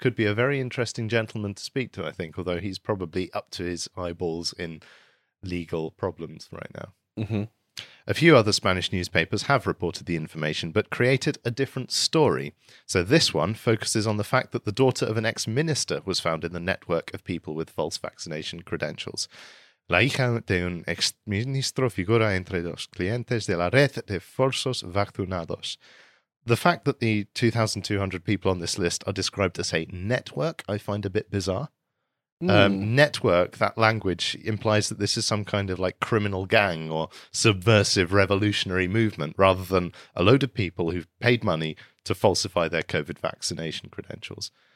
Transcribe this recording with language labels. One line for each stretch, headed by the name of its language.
English: Could be a very interesting gentleman to speak to, I think, although he's probably up to his eyeballs in legal problems right now. A few other Spanish newspapers have reported the information, but created a different story. So this one focuses on the fact that the daughter of an ex-minister was found in the network of people with false vaccination credentials.
Spanish: La hija de un ex-ministro figura entre los clientes de la red de falsos vacunados.
English: The fact that the 2,200 people on this list are described as a network, I find a bit bizarre. Network, that language implies that this is some kind of like criminal gang or subversive revolutionary movement rather than a load of people who've paid money to falsify their COVID vaccination credentials.